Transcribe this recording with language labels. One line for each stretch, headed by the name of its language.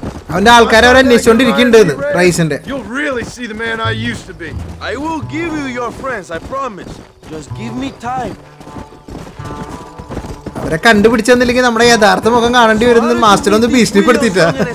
Malayalam: അവന്റെ ആൾക്കാരെ അവരെ അന്വേഷിച്ചോണ്ടിരിക്കുന്നുണ്ട് റൈസിന്റെ.
English: You'll really see the man I used to be. I will give you your friends, I promise. Just give me time.
Malayalam: അവരെ കണ്ടുപിടിച്ചെന്നില്ലെങ്കിൽ നമ്മുടെ യഥാർത്ഥ മുഖം കാണേണ്ടി വരുന്ന മാസ്റ്റർ ഒന്ന് ഭീഷണിപ്പെടുത്തിട്ടാ.